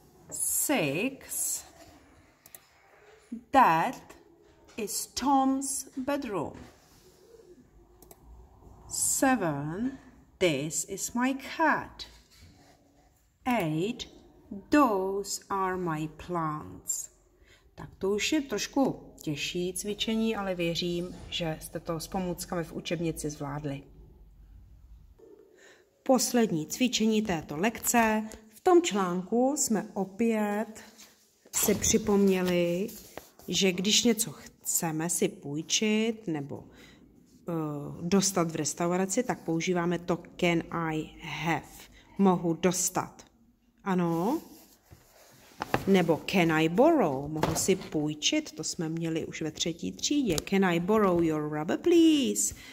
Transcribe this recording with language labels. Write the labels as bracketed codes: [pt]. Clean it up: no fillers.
[en] Six, that is Tom's bedroom. Seven, this is my cat. Eight, those are my plants. [cs] Tak to už je trošku těžší cvičení, ale věřím, že jste to s pomůckami v učebnici zvládli. Poslední cvičení této lekce. V tom článku jsme opět si připomněli, že když něco chceme si půjčit nebo dostat v restauraci, tak používáme to [en] can I have. [cs] Mohu dostat. Ano. Nebo [en] can I borrow? [cs] Mohu si půjčit, to jsme měli už ve třetí třídě. [en] Can I borrow your rubber, please?